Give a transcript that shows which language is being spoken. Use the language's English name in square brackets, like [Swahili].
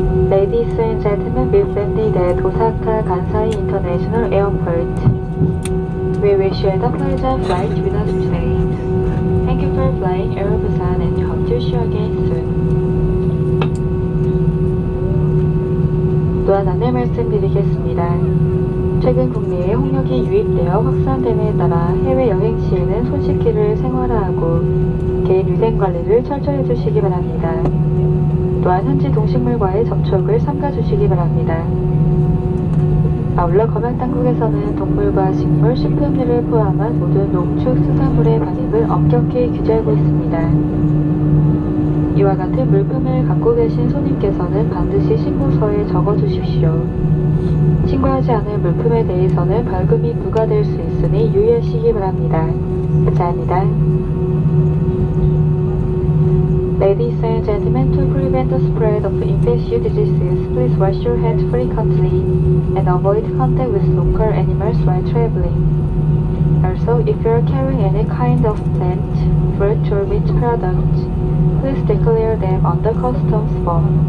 [English] Ladies and gentlemen, we've landed at Osaka Kansai International Airport. We wish you a pleasant flight with us today. Thank you for flying Air Busan and hope to see you again soon. [Korean] 또한 안내 말씀드리겠습니다. 최근 국내에 홍역이 유입되어 확산됨에 따라 해외 여행 시에는 손씻기를 생활화하고 개인 위생 관리를 철저히 해주시기 바랍니다. 또한 현지 동식물과의 접촉을 삼가주시기 바랍니다. 아울러 검역 당국에서는 동물과 식물, 식품들을 포함한 모든 농축 수산물의 반입을 엄격히 규제하고 있습니다. 이와 같은 물품을 갖고 계신 손님께서는 반드시 신고서에 적어주십시오. 신고하지 않은 물품에 대해서는 벌금이 부과될 수 있으니 유의하시기 바랍니다. 감사합니다. [English] Ladies and gentlemen, to prevent the spread of infectious diseases, please wash your hands frequently and avoid contact with local animals while traveling. Also, if you are carrying any kind of plant, fruit or meat product, please declare them on the customs form.